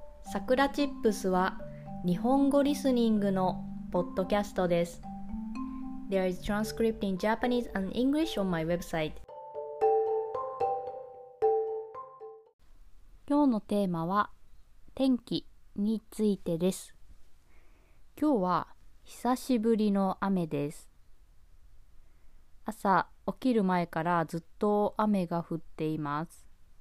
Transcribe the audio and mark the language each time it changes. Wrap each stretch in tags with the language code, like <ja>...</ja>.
<ja>さくらチップスは日本語リスニングのポッドキャストです。</ja> <en>There is transcript in Japanese and English on my website。</en> <ja>今日のテーマは天気についてです。今日は久しぶりの雨です。朝起きる前からずっと雨が降っています。</ja>